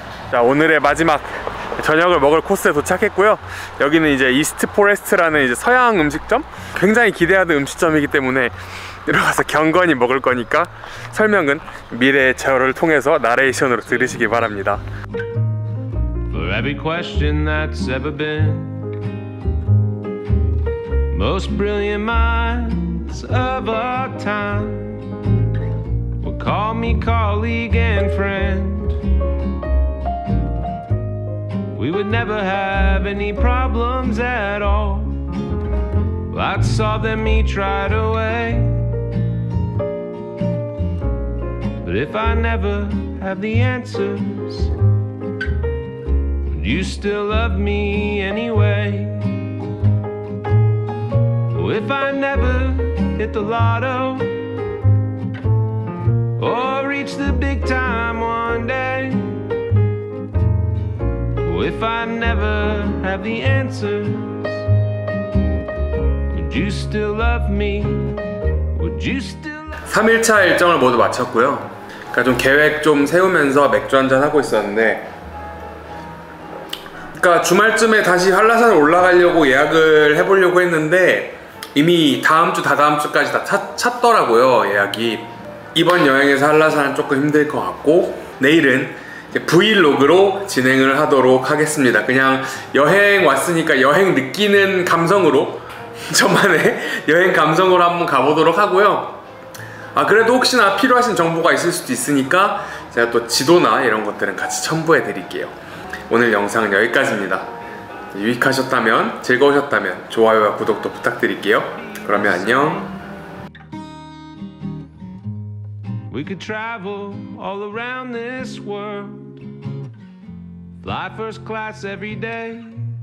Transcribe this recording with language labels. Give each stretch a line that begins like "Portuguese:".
Korean: 자, 오늘의 마지막 저녁을 먹을 코스에 도착했고요. 여기는 이제 이스트 포레스트라는 이제 서양 음식점? 굉장히 기대하는 음식점이기 때문에 들어가서 경건히 먹을 거니까 설명은 미래의 저를 통해서 나레이션으로 들으시기 바랍니다.
English: For every question that's ever been, most brilliant minds of our time will call me colleague and friend. We would never have any problems at all. Lots of them each right away. But if I never have the answers, would you still love me anyway? Oh, if I never hit the lotto or reach the big time one day, oh, if I never have the answers, would you still love me? Would you still love me?
Korean: 3일차 일정을 모두 마쳤고요. 좀 계획 좀 세우면서 맥주 한잔 하고 있었는데 그러니까 주말쯤에 다시 한라산 올라가려고 예약을 해보려고 했는데 이미 다음 주 다다음 주까지 다 찼더라고요 예약이. 이번 여행에서 한라산은 조금 힘들 것 같고 내일은 이제 브이로그로 진행을 하도록 하겠습니다. 그냥 여행 왔으니까 여행 느끼는 감성으로 저만의 여행 감성으로 한번 가보도록 하고요. 아, 그래도 혹시나 필요하신 정보가 있을 수도 있으니까 제가 또 지도나 이런 것들은 같이 첨부해 드릴게요. 오늘 영상은 여기까지입니다. 유익하셨다면, 즐거우셨다면 좋아요와 구독도 부탁드릴게요. 그러면 안녕.
English: We could travel all around this world. Fly first class every day.